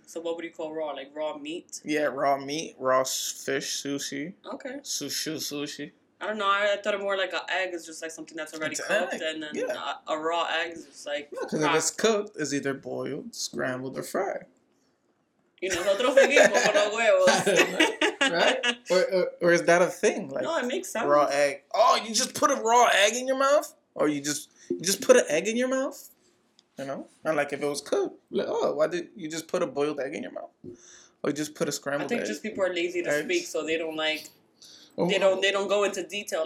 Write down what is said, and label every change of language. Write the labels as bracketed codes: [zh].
[en] So what would you call raw? Like raw meat? Yeah, raw meat, raw fish, sushi. Okay. Sushi. I don't know. I thought it more like an egg is just like something that's already it's cooked, egg. And then yeah. a raw egg is just like. Yeah, because if it's cooked, it's either boiled, scrambled, or fried. [es] You know, nosotros seguimos con los huevos. [en] Right? Or is that a thing? Like, no, it makes sense. Raw egg. Oh, you just put a raw egg in your mouth? Or you just put an egg in your mouth? You know? And like if it was cooked. Like, oh, why did you just put a boiled egg in your mouth? Or you just put a scrambled egg? I think egg. Just people are lazy to Eggs. Speak, so they don't like... They don't go into detail.